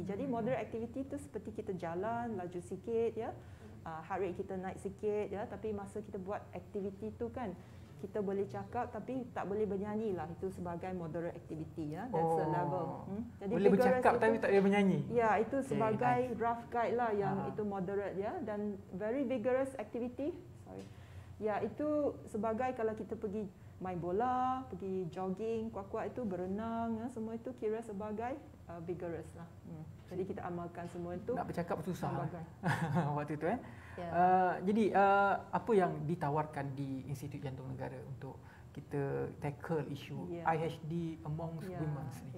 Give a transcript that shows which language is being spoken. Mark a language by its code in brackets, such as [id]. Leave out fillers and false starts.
[ms] Jadi moderate activity itu seperti kita jalan laju sikit, ya, heart rate kita naik sikit, ya. Tapi masa kita buat activity itu kan, kita boleh cakap tapi tak boleh bernyanyi lah, itu sebagai moderate activity, ya. [en] That's a level. [ms] Jadi boleh bercakap itu, tapi tak boleh bernyanyi. Ya, itu sebagai rough guide lah yang itu moderate, ya. Dan [en] very vigorous activity, sorry. [ms] Ya, itu sebagai kalau kita pergi main bola, pergi jogging, kuat-kuat itu, berenang, ya, semua itu kira sebagai vigorous lah. Jadi kita amalkan semua itu. Nak bercakap susah waktu itu, ya. Jadi apa yang ditawarkan di Institut Jantung Negara untuk kita tackle isu IHD [en] amongst women [ms] ni?